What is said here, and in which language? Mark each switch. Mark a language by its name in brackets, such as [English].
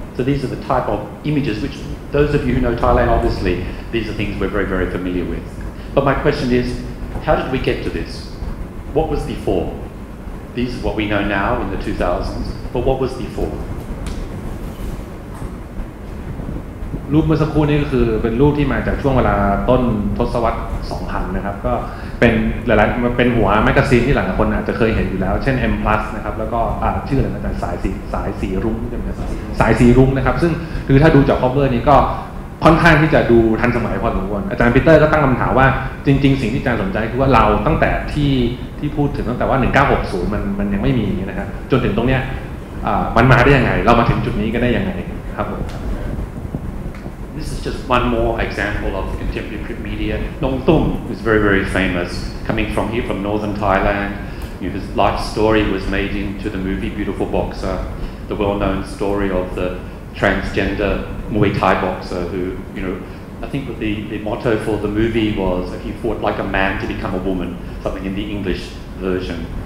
[English] So these are the type of images which those of you who know Thailand, obviously, these are things we're very, very familiar with. But my question is, how did we get to this? What was before? These are what we know now in the 2000s, but what was before? [Thai] รูปเมื่อสักครู่นี้ก็คือเป็นรูปที่มาจากช่วงเวลาต้นทศวรรษ2000นะครับก็เป็นหลายๆมันเป็นหัวแมกกาซีนที่หลายคนอาจจะเคยเห็นอยู่แล้วเช่น M+ นะครับแล้วก็ชื่ออะไรนะสายสีรุ้งใช่มั้ยสายสีรุ้งนะครับซึ่งคือถ้าดูจากคัฟเวอร์นี้ก็ค่อนข้างที่จะดูทันสมัยพอสมควรอาจารย์ปีเตอร์ก็ตั้งคำถามว่าจริงๆสิ่งที่อาจารย์สนใจคือว่าเราตั้งแต่ที่พูดถึงตั้งแต่ว่า1960มันยังไม่มีนะฮะจนถึงตรงเนี้ยมันมาได้ยังไงเรามาถึงจุดนี้กันได้ยังไงครับผม [English] this is just one more example of contemporary print media. Nong Thung is very, very famous, coming from here, from northern Thailand. You know, his life story was made into the movie Beautiful Boxer, the well-known story of the transgender Muay Thai boxer who, you know, I think the motto for the movie was he fought like a man to become a woman, something in the English version.